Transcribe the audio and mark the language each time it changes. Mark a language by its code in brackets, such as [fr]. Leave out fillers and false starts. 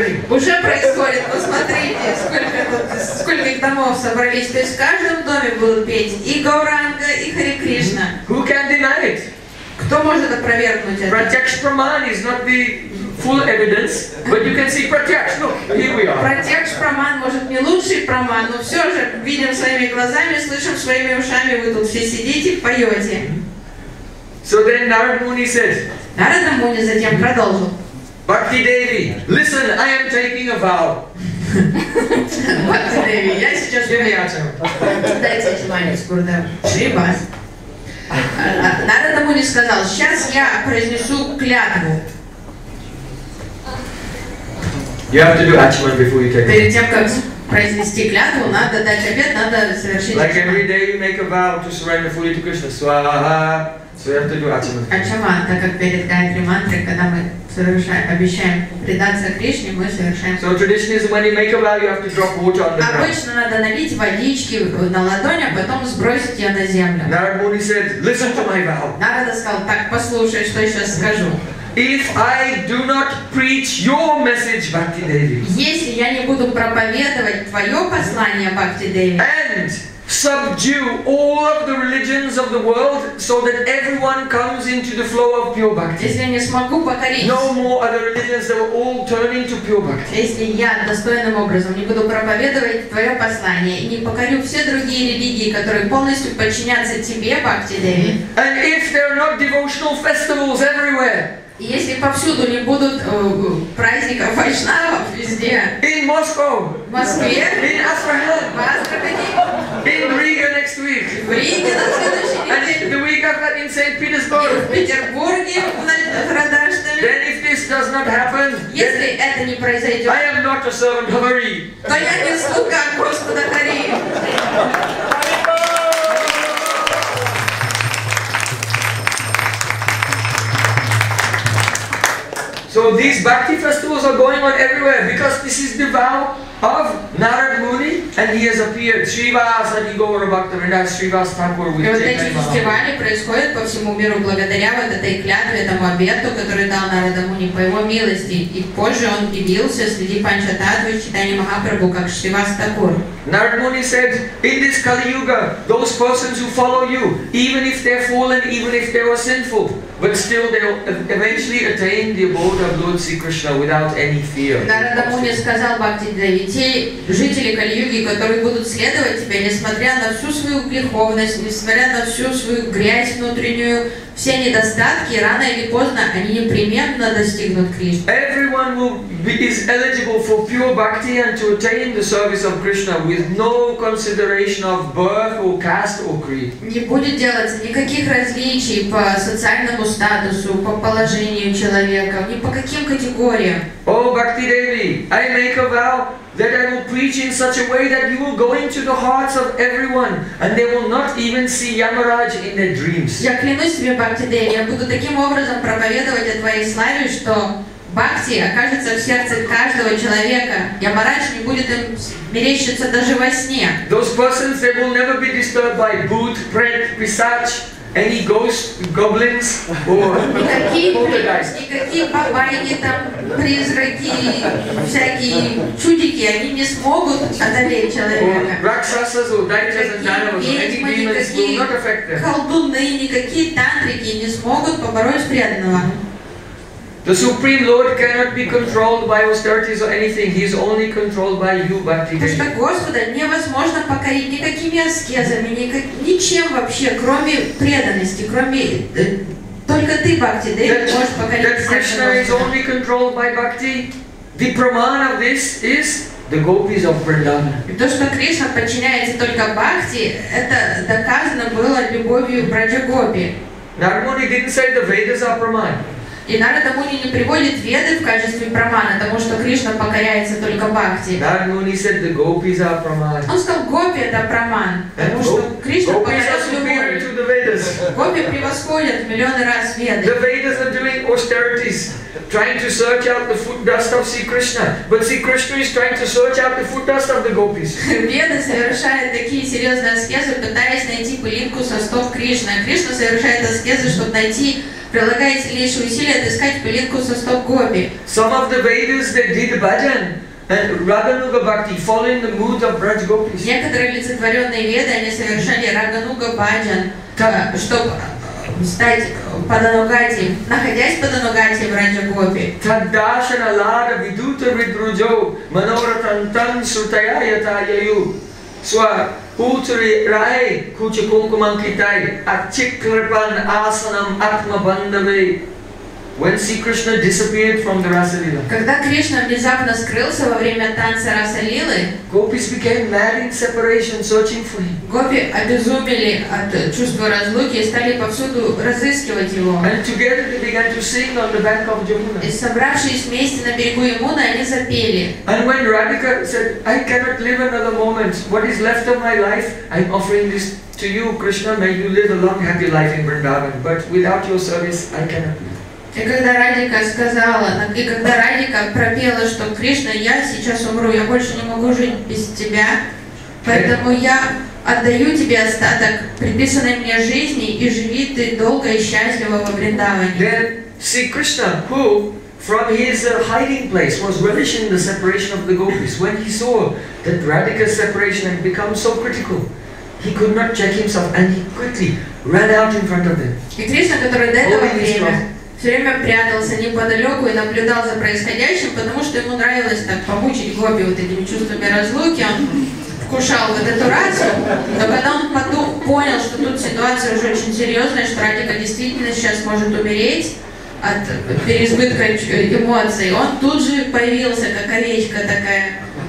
[ru] Уже происходит, посмотрите, сколько их домов собрались. То есть в каждом доме будут петь и Гауранга, и Хари Кришна. [en] Who can deny it? [ru] Кто может опровергнуть это? [en] Pratyaksh Praman is not the full evidence, but you can see Pratyaksh. Look, here we are. [ru] Pratyaksh Praman может не лучший Praman, но все же видим своими глазами, слышим своими ушами, вы тут все сидите, поете. [en] So then Narada Muni says. [ru] Narada Muni затем продолжил. [en] Bhakti Devi, listen, I am taking a vow. [ru] Bhakti Devi, я сейчас... [en] Give me answer. [ru] Дайте внимание, Скурда. Шрибас. Нарада Муни сказал, сейчас я произнесу клятву. [en] You have to do ачман before you take it. [ru] Перед тем, как произнести клятву, надо дать обет, надо совершить... [en] Like every day you make a vow to surrender fully to Krishna. Swaha. So you have to do ачман. [ru] Ачман, так как перед Гайдри Мантрой, когда мы... обещаем предаться Кришне, мы совершаем. [en] So tradition is when you make a vow, you have to drop water on the ground. [ru] Обычно надо налить водички на ладонь, а потом сбросить ее на землю. [en] Narada Muni said, listen to my vow. [ru] Нарада сказал, так послушай, что я сейчас скажу. [en] If I do not preach your message, Bhakti Devi. [ru] Если я не буду проповедовать твое послание, Бхакти Деви. [en] And subdue all of the religions of the world so that everyone comes into the flow of pure bhakti. [ru] Если я не смогу покорить. [en] No more other religions that will all turn into pure bhakti. [ru] Если я достойным образом не буду проповедовать твое послание и не покорю все другие религии, которые полностью подчинятся тебе, Бхакти Деви. [en] And if there are not devotional festivals everywhere. [ru] И если повсюду не будут праздников вайшнавов везде. [en] In Moscow. [ru] В Москве. [en] In Astrakhan. In Riga next week. [ru] В Риге на следующей неделе. [en] And the week after in St. Petersburg. [ru] И в Петербурге в Радаштале. [en] Then if this does not happen. [ru] Если это не произойдет. [en] I am not a servant of Hari. [ru] То я не слуга Господа Хари. [en] So these bhakti festivals are going on everywhere because this is the vow of Narada Muni and he has appeared. Shrivas and Igor Bhaktivinoda, Shrivas Thakur with Chaitanya Mahaprabhu. [ru] Вот эти фестивали происходят по всему миру благодаря вот этой клятве, этому обету, который дал Нарада Муни по его милости. И позже он явился среди Панчататвы, Чайтанья Махапрабху, как Шривас Такур. [en] Narada Muni said, in this Kali Yuga, those persons who follow you, even if they're fallen, even if they were sinful, but still they'll eventually attain the abode of Lord Sri Krishna without any fear. [ru] Narada Muni сказал Бхакти Деви, те жители Кали Юги, которые будут следовать тебе, несмотря на всю свою греховность, несмотря на всю свою грязь внутреннюю, все недостатки, рано или поздно, они непременно достигнут Кришны. [en] Everyone will be, is eligible for pure bhakti and to attain the service of Krishna with no consideration of birth or caste or creed. [ru] Не будет делаться никаких различий по социальному статусу, по положению человека, ни по каким категориям. [en] Oh, Bhakti Devi, I make a vow that I will preach in such a way that you will go into the hearts of everyone and they will not even see Yamaraj in their dreams. [ru] Я клянусь тебе, Бхакти Деви, я буду таким образом проповедовать о твоей славе, что бхакти окажется в сердце каждого человека, Ямарадж не будет им мерещиться даже во сне. [en] Those persons, they will never be disturbed by Bhut, Prem, Pisach, any ghosts, goblins, or poltergeists. [ru] Никакие бабайки, там, призраки, всякие чудики, они не смогут одолеть человека. [en] Ракшасас, or дайджас, and дайджас, or any demons will not affect them. [ru] Колдуны, никакие тантрики не смогут побороть преданного. [en] The Supreme Lord cannot be controlled by austerities or anything. He is only controlled by you, Bhakti. [ru] Потому что Господа невозможно покорить никакими аскезами, ничем вообще, кроме преданности, кроме только ты, Бхакти, да, можешь покорить. [en] That Krishna is only controlled by Bhakti. The praman of this is the gopis of Vrindavan. [ru] И то, что Кришна подчиняется только Бхакти, это доказано было любовью Браджа-гопи. [en] Нармуни didn't say the Vedas are praman. [ru] И Нарада Муни не приводит веды в качестве прамана, потому что Кришна покоряется только бхакти. [en] Нарада Муни said the gopis are praman. [ru] Он сказал, гопи это праман, потому что Кришна покоряется любовью. Гопи превосходят миллионы раз веды. [en] The Vedas are doing austerities, trying to search out the foot dust of Sri Krishna, but Sri Krishna is trying to search out the foot dust of the gopis. [ru] Веды совершают такие серьезные аскезы, пытаясь найти пылинку со стоп Кришны. Кришна совершает аскезы, чтобы найти, прилагает сильнейшие усилия отыскать пылинку со стоп гопи. [en] Some of the Vedas they did bhajan and Raganuga Bhakti, following the mood of Braj Gopis. [ru] Некоторые олицетворенные веды они совершали Рагануга Бхаджан, чтобы стать Паданугати, находясь в Паданугати в Раджа Гопи. [sa] Таддашана лада видута видруджоу манавратантан срутая ятайаю сва Путри рай куча кункуман китай атчикрпан асанам атма бандавей. [en] When Sri Krishna disappeared from the Rasalila. [ru] Когда Кришна внезапно скрылся во время танца Расалилы, [en] gopis became mad in separation, searching for him. [ru] Гопи обезумели от чувства разлуки и стали повсюду разыскивать его. [en] And together they began to sing on the bank of Yamuna. [ru] И собравшись вместе на берегу Ямуны, они запели. [en] And when Radhika said, I cannot live another moment. What is left of my life, I'm offering this to you, Krishna. May you live a long, happy life in Vrindavan. But without your service, I cannot live. [ru] И когда Радика сказала, и когда Радика пропела, что Кришна, я сейчас умру, я больше не могу жить без тебя, поэтому я отдаю тебе остаток приписанной мне жизни и живи ты долго и счастливо во Вриндаване. [en] Then see Krishna, who from his hiding place was relishing the separation of the gopis, when he saw that Radhika's separation had become so critical, he could not check himself and he quickly ran out in front of them. [ru] И Кришна, который до этого времени все время прятался неподалеку и наблюдал за происходящим, потому что ему нравилось так помучить гопи вот этими чувствами разлуки. Он вкушал вот эту рацию, но когда он потом понял, что тут ситуация уже очень серьезная, что Радика действительно сейчас может умереть от переизбытка эмоций, он тут же появился, как овечка такая.